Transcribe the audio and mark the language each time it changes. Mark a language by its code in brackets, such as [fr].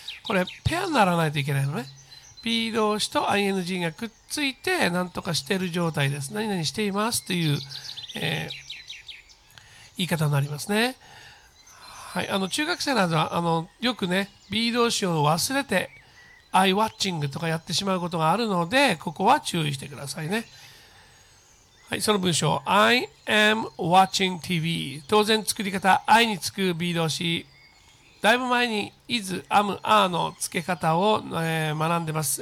[ja] これ、ペアにならないといけないのね。B 動詞と ING がくっついて、何とかしている状態です。何々していますという、言い方になりますね。はい、中学生などはよくね、 B 動詞を忘れて [en] I watching [ja] とかやってしまうことがあるので、ここは注意してくださいね。はい、その文章、 [en] I am watching TV。 [ja] 当然作り方、 I につく B 動詞、だいぶ前に is、 am、 are の付け方を、学んでます。